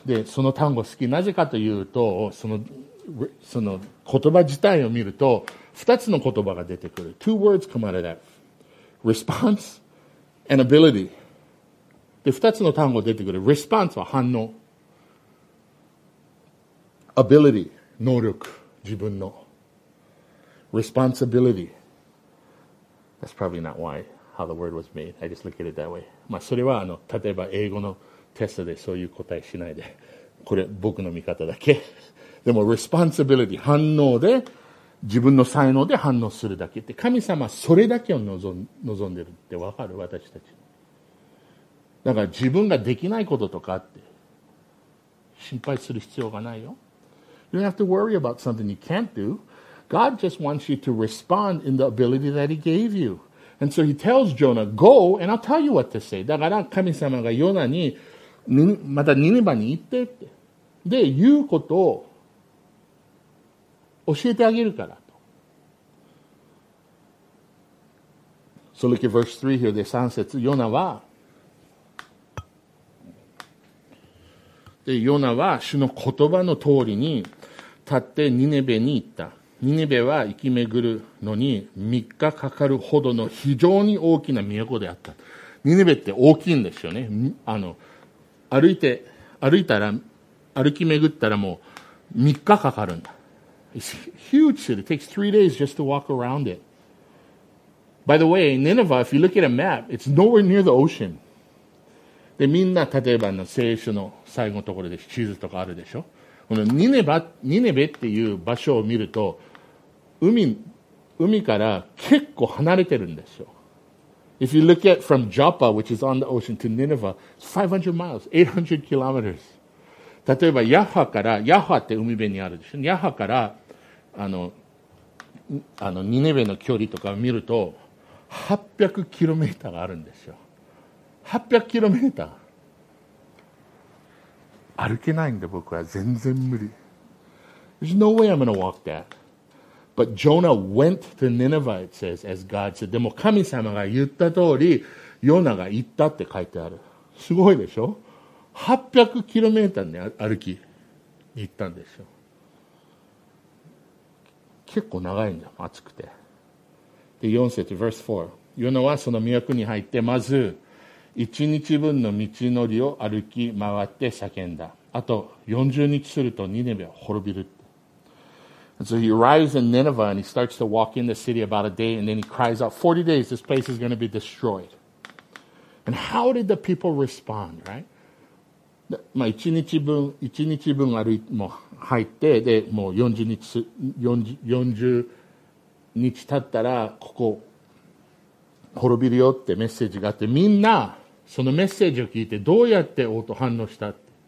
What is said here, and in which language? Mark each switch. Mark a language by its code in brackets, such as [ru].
[ja] で、その単語好き。なぜかというと、その言葉自体を見ると、二つの言葉が出てくる。 [en] Two words come out of that. response and ability. [ja] で、二つの単語出てくる。 response は反応。 [en] ability. [ja] 能力、自分の [en] responsibility. That's probably not why how the word was made. I just look at it that way. [ja] まあそれは例えば英語のテストでそういう答えしないで、これ僕の見方だけ。でも responsibility 反応で自分の才能で反応するだけって神様それだけを望んでるってわかる私たち。だから自分ができないこととかって心配する必要がないよ。 [en] You don't have to worry about something you can't do. God just wants you to respond in the ability that he gave you. And so he tells Jonah, go and I'll tell you what to say. [ja] だから神様がヨナにまたニニバに行ってって。で、言うことを教えてあげるからと。 [en] So look at verse 3 here. [ja] で、3節。ヨナは。で、ヨナは主の言葉の通りに立ってニネベに行った。ニネベは行き巡るのに3日かかるほどの非常に大きな都であった。ニネベって大きいんですよね。歩き巡ったらもう3日かかるんだ。 [en] It's a huge city. It takes 3 days just to walk around it. By the way, Nineveh, if you look at a map, it's nowhere near the ocean. [ja] で、みんな例えば聖書の最後のところで地図とかあるでしょ。このニネベっていう場所を見ると海から結構離れてるんですよ。 [en] If you look at from Joppa, which is on the ocean, to Nineveh, it's 500 miles, 800 kilometers. [ja] 例えばヤハから、ヤハって海辺にあるでしょ。ヤハからニネベの距離とかを見ると800キロメーターがあるんですよ。 800キロメーター。歩けないんで僕は全然無理。 [en] There's no way I'm gonna walk that. But Jonah went to Nineveh, it says, as God said. [ja] でも神様が言った通り、ヨナが行ったって書いてある。すごいでしょ ?800 キロメーターで歩き行ったんでしょ。結構長いんだ、暑くて。で、4節、 [en] verse 4。 [ja] というのは、その宮区に入って、まず、1日分の道のりを歩き回って叫んだ。あと、40日すると、ニネベは滅びる。 [en] So he arrives in Nineveh and he starts to walk in the city about a day and then he cries out, 40 days, this place is going to be destroyed. And how did the people respond, right? [ja] まあ、1日分歩いても入って、で、もう40日経ったら、ここ、滅びるよってメッセージがあって、みんな、そのメッセージを聞いて、どうやって応答反応したって。